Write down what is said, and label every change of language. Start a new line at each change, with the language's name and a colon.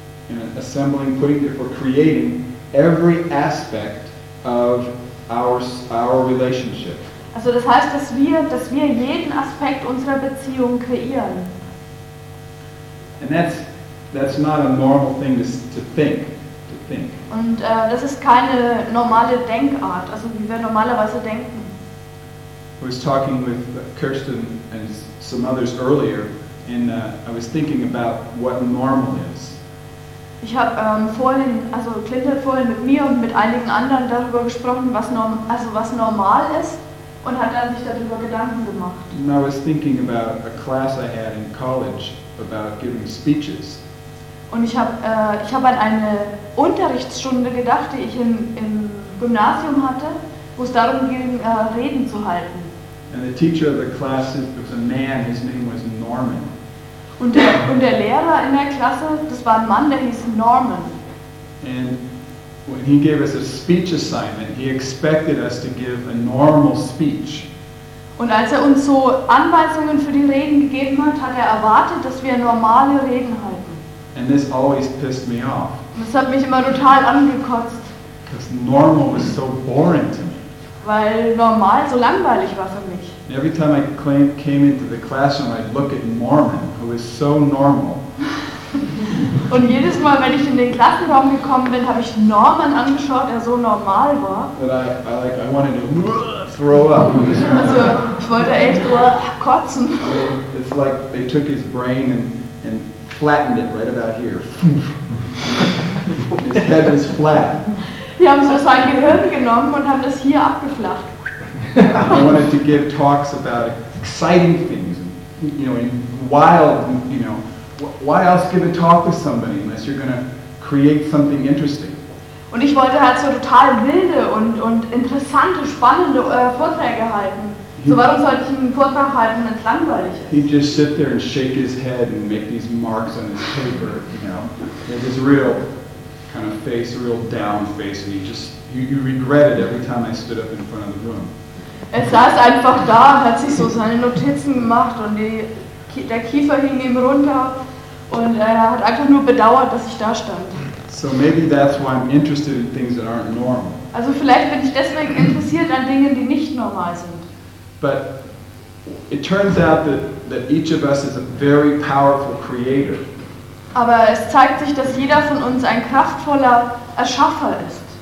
English: and assembling, putting together, for creating every aspect of our relationship.
German: Also das heißt, dass wir jeden Aspekt unserer Beziehung kreieren.
English: And that's not a normal thing to think.
German: Und das ist keine normale Denkart, also wie wir normalerweise denken.
English: I was talking with Kirsten and some others earlier, and I was thinking about what normal is.
German: Ich habe Clint hat vorhin mit mir und mit einigen anderen darüber gesprochen, was normal ist. Und hat dann sich darüber Gedanken gemacht.
English: And I was thinking about a class I had in college about giving speeches.
German: Und ich habe an eine Unterrichtsstunde gedacht, die ich im Gymnasium hatte, wo es darum ging, Reden zu halten.
English: And the teacher of the class was a man, his name was Norman.
German: Und der Lehrer in der Klasse, das war ein Mann, der hieß Norman.
English: And when he gave us a speech assignment, he expected us to give a normal speech.
German: Und als uns so Anweisungen für die Reden gegeben hat, hat erwartet, dass wir normale Reden halten.
English: And this always pissed me off.
German: Und das hat mich immer total angekotzt.
English: Because normal was so boring to me.
German: Weil normal so langweilig war für mich.
English: And every time I came into the classroom, I'd look at Norman, who is so normal.
German: Und jedes Mal, wenn ich in den Klassenraum gekommen bin, habe ich Norman angeschaut, der so normal war.
English: I wanted to throw up.
German: Also ich wollte echt nur kotzen.
English: It's like they took his brain and flattened it right about here. His head is flat.
German: Die haben so sein Gehirn genommen und haben das hier abgeflacht.
English: I wanted to give talks about exciting things, wild. Why else give a talk to somebody unless you're going to create something interesting?
German: Und ich wollte halt so total wilde und interessante, spannende Vorträge halten. So warum sollte ich einen Vortrag halten, wenn es langweilig ist?
English: He'd just sit there and shake his head and make these marks on his paper, With his real kind of face, real down face, and he regretted every time I stood up in front of the room.
German: Er saß einfach da, hat sich so seine Notizen gemacht und der Kiefer hing ihm runter. Und er hat einfach nur bedauert, dass ich da stand.
English: So maybe that's why I'm interested in things that aren't normal.
German: Also vielleicht bin ich deswegen interessiert an Dingen, die nicht normal sind.
English: But it turns out that each of us is a very powerful creator.
German: Aber es zeigt sich, dass jeder von uns ein kraftvoller Erschaffer ist.